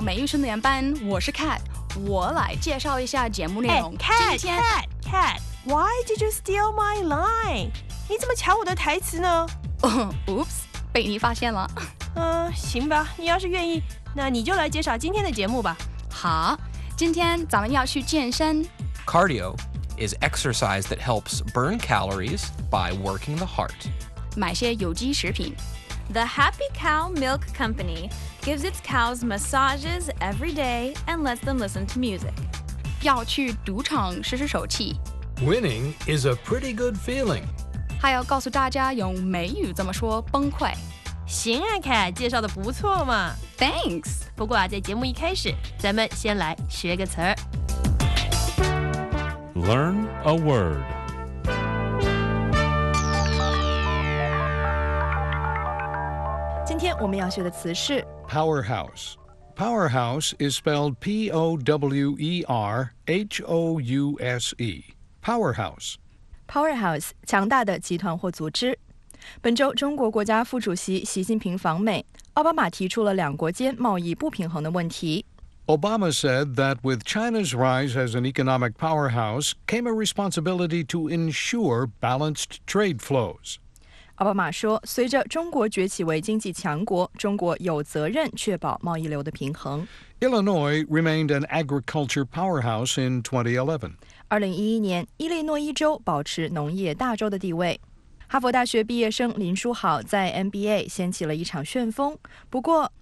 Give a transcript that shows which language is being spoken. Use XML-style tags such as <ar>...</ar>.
<zh>美语训练班，我是 Cat， 我来介绍一下节目内容。 Cat，</zh> <en>Why did you steal my line？</en> <zh>你怎么抢我的台词呢？ Oops， 被你发现了。行吧，你要是愿意，那你就来介绍今天的节目吧。好，今天咱们要去健身。</zh> <en>Cardio is exercise that helps burn calories by working the heart.</en> <zh>买些有机食品。</zh> <en>The Happy Cow Milk Company gives its cows massages every day and lets them listen to music.</en> <zh>要去赌场试试手气。</zh> <en>Winning is a pretty good feeling.</en> <zh>还要告诉大家用美语怎么说崩溃。行啊 ，Cat， 介绍的不错嘛。</zh> <en>Thanks。</en> <zh>不过啊，在节目一开始，咱们先来学个词儿。</zh> <en>Learn a word。</en> <zh>今天我们要学的词是</zh> <en>powerhouse。 Powerhouse is spelled P-O-W-E-R-H-O-U-S-E。 Powerhouse。</en> <zh>Powerhouse， 强大的集团或组织。本周中国国家副主席习近平访美，奥巴马提出了两国间贸易不平衡的问题。</zh> <en>Obama said that with China's rise as an economic powerhouse came a responsibility to ensure balanced trade flows.</en> <zh>奥巴马说，随着中国崛起为经济强国，中国有责任确保贸易流的平衡。</zh> <en>Illinois remained an agriculture powerhouse in 2011.</en> <zh>2011年，伊利诺伊州保持农业大州的地位。哈佛大学毕业生林书豪在 NBA 掀起了一场旋风，不过</zh>